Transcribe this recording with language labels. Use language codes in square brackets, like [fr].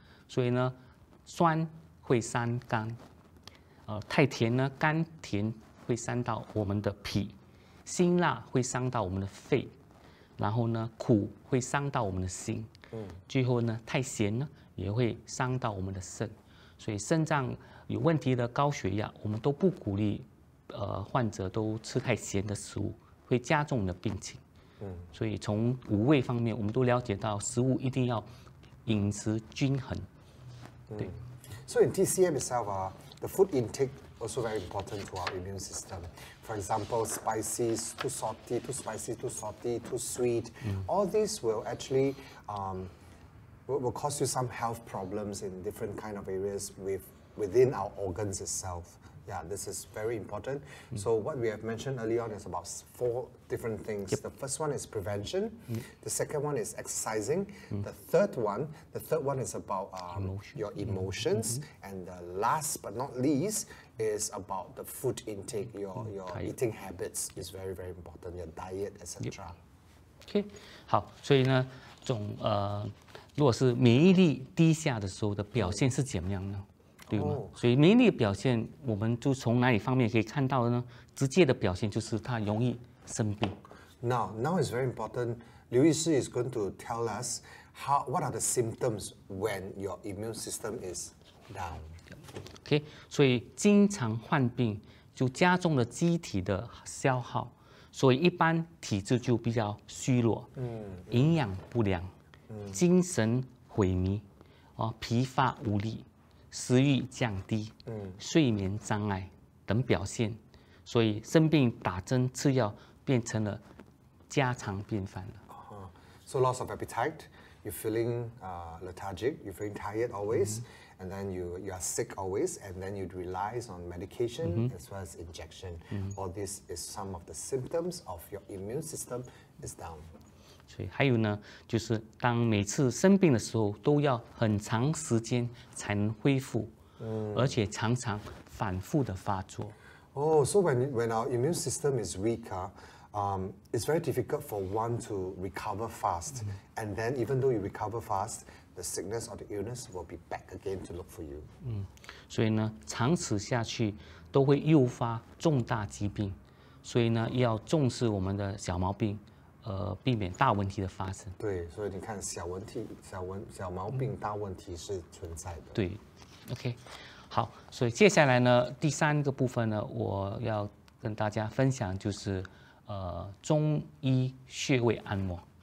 [zh] 所以呢，酸会伤肝，太甜呢，甘甜会伤到我们的脾，辛辣会伤到我们的肺，然后呢，苦会伤到我们的心，最后呢，太咸呢也会伤到我们的肾，所以肾脏有问题的高血压，我们都不鼓励，患者都吃太咸的食物，会加重你的病情，所以从五味方面，我们都了解到食物一定要饮食均衡。 [en] So in TCM itself, the food intake also very important to our immune system. For example, too salty, too sweet, all these will actually will cause you some health problems in different kind of areas within our organs itself. Yeah, this is very important. So what we have mentioned early on is about four different things. The first one is prevention. The second one is exercising. The third one is about your emotions. And the last but not least is about the food intake. Your eating habits is very, very important. Your diet, etc. [zh] OK, 好，所以呢，总如果是免疫力低下的时候的表现是怎么样呢？对吗？所以免疫力表现，我们就从哪里方面可以看到的呢？直接的表现就是它容易生病。 [en] Now is very important. 刘医师 is going to tell us what are the symptoms when your immune system is down. [zh] Okay, 所以经常患病就加重了机体的消耗，所以一般体质就比较虚弱，营养不良，精神萎靡，疲乏无力。食欲降低，睡眠障碍等表现，所以生病打针吃药变成了家常便饭了。 [en] So loss of appetite, you're feeling lethargic, you're feeling tired always, and then you are sick always, and then you rely on medication as well as injection. All this is some of the symptoms of your immune system is down. [zh] 所以还有呢，就是当每次生病的时候，都要很长时间才能恢复，而且常常反复的发作。 [en] So when our immune system is weak, it's very difficult for one to recover fast. And then even though you recover fast, the sickness or the illness will be back again to look for you. [zh] 所以呢，长此下去都会诱发重大疾病，所以呢，要重视我们的小毛病。避免大问题的发生。对，所以你看小毛病大问题是存在的。对 ，OK， 好，所以接下来呢，第三个部分呢，我要跟大家分享就是中医穴位按摩。